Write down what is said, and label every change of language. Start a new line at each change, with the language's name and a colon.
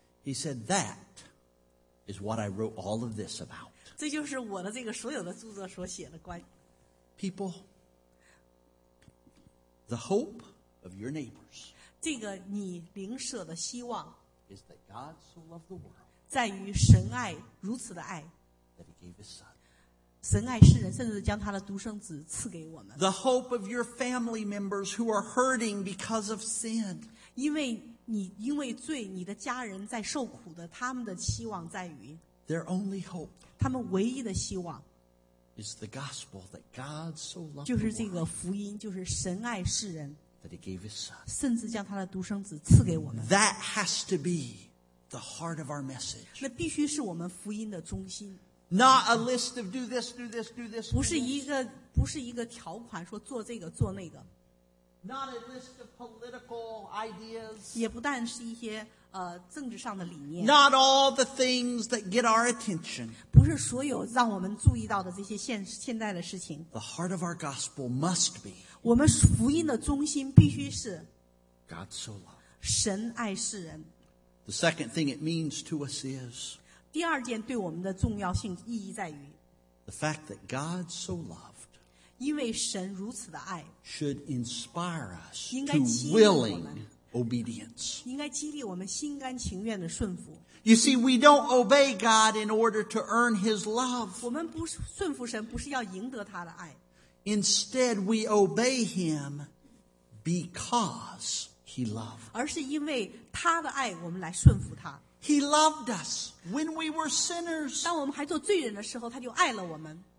English: He said that is what I wrote all of this about.
Chinese: 这就是我的这个所有的著作所写的关
English: People, the hope of your neighbors.
Chinese: 这个你邻舍的希望
English: is that God so loved the world.
Chinese: 在于神爱如此的爱
English: that he gave his son.
Chinese: 神爱世人甚至将他的独生子赐给我们
English: The hope of your family members who are hurting because of sin
Chinese: 因为罪你的家人在受苦的他们的期望在于
English: Their only hope
Chinese: 他们唯一的希望
English: is the gospel that God so loved the world
Chinese: 就是这个福音就是神爱世人
English: that he gave his son
Chinese: 甚至将他的独生子赐给我们
English: That has to beThe heart of our message.
Chinese: 那必须是我们福音的中心。
English: Not a list of do this, do this, do this.
Chinese: 不是一个条款说做这个做那个。
English: Not a list of political ideas.
Chinese: 也不但是一些政治上的理念。
English: Not all the things that get our attention.
Chinese: 不是所有让我们注意到的这些现在的事情。
English: The heart of our gospel must be.
Chinese: 我们福音的中心必须是。
English: God so loved.
Chinese: 神爱世人。
English: The second thing it means to us is
Chinese: 第二件对我们的重要性意义在于
English: The fact that God so loved
Chinese: 因为神如此的爱
English: should inspire us to willing obedience
Chinese: 应该激励我们心甘情愿的顺服
English: You see, we don't obey God in order to earn his love
Chinese: 我们不是顺服神不是要赢得他的爱
English: Instead, we obey him becauseHe loved.
Chinese: 而是因为他的爱我们来顺服他。
English: He loved us when we were sinners.
Chinese: 当我们还做罪人的时候他就爱了我们。